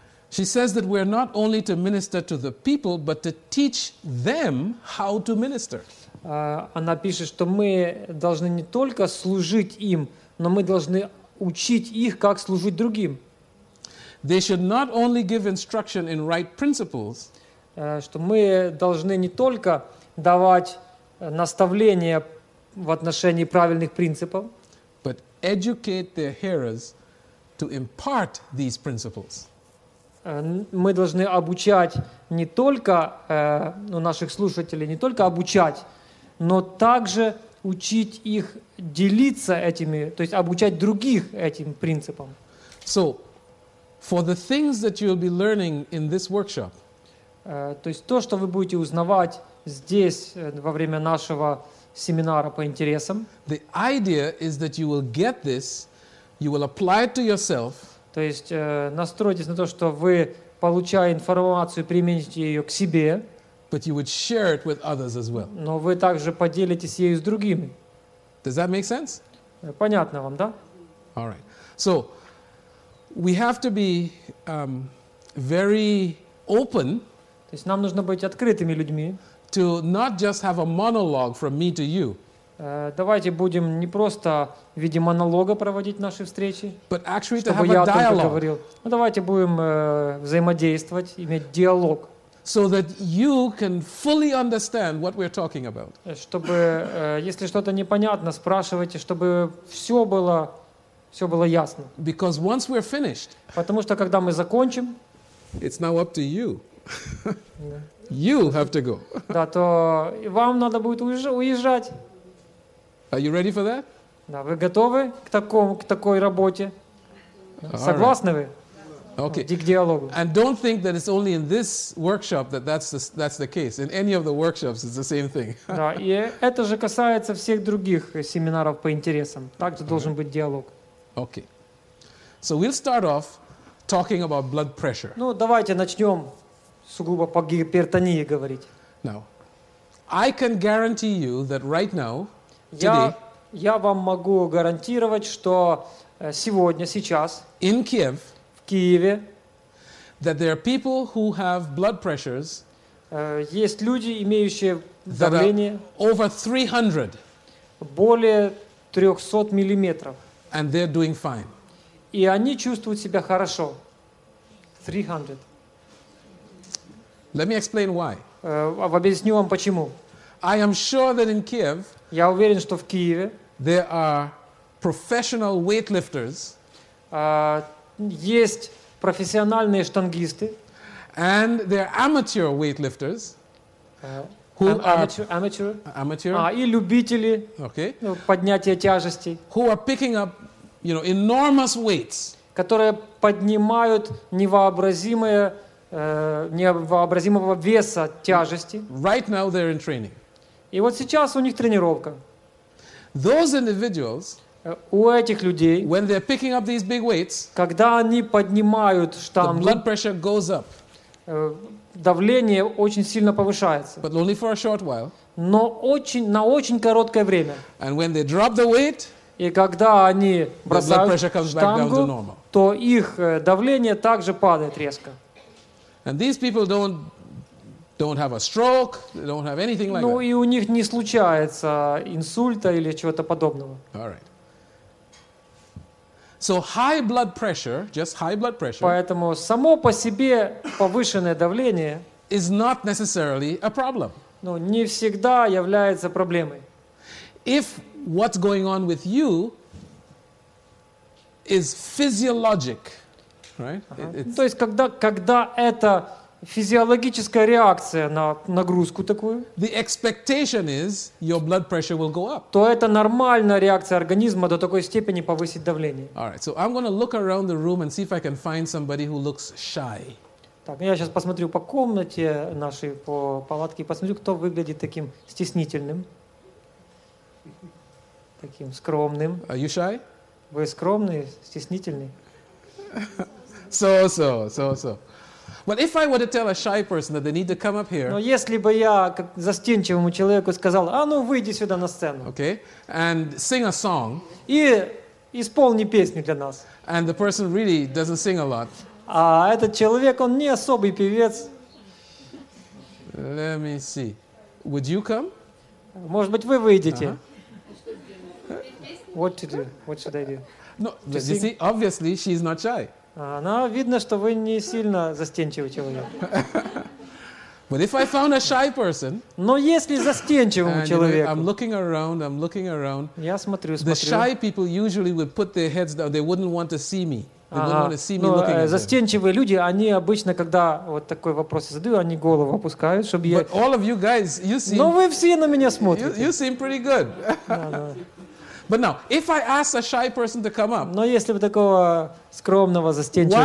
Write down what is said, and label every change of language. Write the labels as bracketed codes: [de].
[en] She says that we are not only to minister to the people, but to teach them how to minister. [ru] Она пишет, что мы должны не только служить им, но мы должны учить их, как служить другим. [en] They should not only give instruction in right principles, [ru] что мы должны не только давать наставления в отношении правильных принципов, [en] but educate their hearers to impart these principles. [ru] Мы должны обучать не только наших слушателей, не только обучать, но также учить их делиться этими, то есть обучать других этим принципам. [en] So, for the things that you'll be learning in this workshop, [ru] то есть то, что вы будете узнавать здесь во время нашего семинара по интересам, [en] the idea is that you will get this, you will apply it to yourself. [ru] То есть настройтесь на то, что вы, получая информацию, примените ее к себе. [en] But you would share it with others as well. [ru] Но вы также поделитесь ею с другими. [en] Does that make sense? [ru] Понятно вам, да? [en] All right. So we have to be very open. [ru] То есть нам нужно быть открытыми людьми. [en] To not just have a monologue from me to you. [ru] Давайте будем не просто в виде монолога проводить наши встречи, [en] but actually to [ru] чтобы [en] have [ru] я [en] a dialogue. [ru] О том говорил. Ну давайте будем взаимодействовать, иметь диалог. [en] So that you can fully understand what we're talking about. [ru] Чтобы, если что-то непонятно, спрашивайте, чтобы все было ясно. [en] Because once we're finished, [ru] потому что когда мы закончим, [en] it's now up to you. You have to go. [ru] Да, то вам надо будет уезжать. [en] Are you ready for that? [ru] Да, вы готовы к такой работе? Согласны вы? [en] Okay. And don't think that it's only in this workshop that that's the case. In any of the workshops, it's the same thing. [ru] Да, и это же касается всех других семинаров по интересам. Так же должен быть диалог. [en] Okay. So we'll start off talking about blood pressure. [ru] Ну, давайте начнем сугубо по гипертонии говорить. [en] Now, I can guarantee you that right now, [ru] я вам могу гарантировать, что сегодня, сейчас, [en] in Kiev, [ru] Киеве, [en] that there are people who have blood pressures, [ru] есть люди, имеющие давление [en] over 300, [ru] более 300 миллиметров, [en] and they're doing fine. [ru] И они чувствуют себя хорошо. [en] 300. Let me explain why. [ru] Объясню вам почему. [en] I am sure that in Kiev, [ru] я уверен, что в Киеве, [en] there are professional weightlifters. [ru] Есть профессиональные штангисты, [en] and they're amateur weightlifters, who amateur. [ru] И любители, [en] okay, [ru] поднятия тяжестей, [en] who are picking up, you know, enormous weights, [ru] которые поднимают невообразимого веса тяжести. [en] Right now they're in training. [ru] И вот сейчас у них тренировка. [en] Those individuals, [ru] у этих людей, [en] when they're picking up these big weights, [ru] когда они поднимают штангу, [en] the blood pressure goes up. [ru] Давление очень сильно повышается. [en] But only for a short while. [ru] Но очень, на очень короткое время. [en] And when they drop the weight, [ru] и когда они бросают штангу, то их давление также падает резко. [en] And these people don't have a stroke, they don't have anything like ну, that. [ru] И у них не случается инсульта или чего-то подобного. [en] All right. So high blood pressure, just high blood pressure. [ru] Поэтому само по себе повышенное давление [en] is not necessarily a problem. [ru] Ну, не всегда является проблемой. [en] If what's going on with you is physiologic, right? Uh-huh. [ru] То есть когда это физиологическая реакция на нагрузку такую. [en] The expectation is your blood pressure will go up. [ru] То это нормальная реакция организма до такой степени повысить давление. [en] All right, so I'm going to look around the room and see if I can find somebody who looks shy. [ru] Так, я сейчас посмотрю по комнате нашей, по палатке, и посмотрю, кто выглядит таким стеснительным, таким скромным. [en] Are you shy? [ru] Вы скромный, стеснительный? [en] So. But if I were to tell a shy person that they need to come up here. [ru] Но если бы я как застенчивому человеку сказал: "А ну выйди сюда на сцену." [en] Okay? And sing a song. [ru] И исполни песню для нас. [en] And the person really doesn't sing a lot. [ru] А этот человек, он не особый певец. [en] Let me see. Would you come? [ru] Может быть, вы выйдете? [en] Uh-huh. What to do? What should I do? No, you see, obviously she's not shy. [ru] Она видно, что вы не сильно застенчивый человек. [en] But if I found a shy person, [ru] но если застенчивому человеку, [en] I'm looking around, [ru] я смотрю, [en] the shy people usually would put their heads down, they wouldn't want to see me. [ru] Застенчивые люди, они обычно, когда вот такой вопрос задаю, они голову опускают, чтобы [en] But all of you guys, you seem, [ru] но вы все на меня смотрите. [en] You seem pretty good. But now, if I ask a shy person to come up, [ru] но если бы такого скромного застенчивого